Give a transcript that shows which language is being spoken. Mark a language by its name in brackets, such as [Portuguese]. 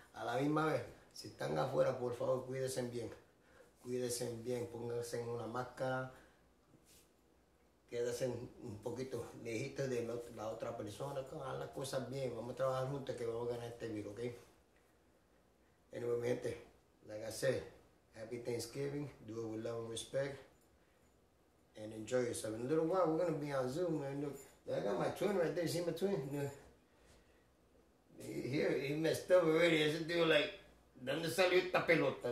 [Spanish] A la misma vez, si están afuera, por favor, cuídense bien, pónganse una máscara, quédense un poquito lejitos de la otra persona, hagan las cosas bien, vamos a trabajar juntos que vamos a ganar este virus, ¿ok? [English] Anyway, [Spanish] mi gente, [English] like I said, happy Thanksgiving, do it with love and respect, and enjoy yourself. In a little while, we're going to be on Zoom, man. I got my twin right there. See my twin? No. He messed up already. He's a dude like, [Spanish] ¿dónde salió esta pelota?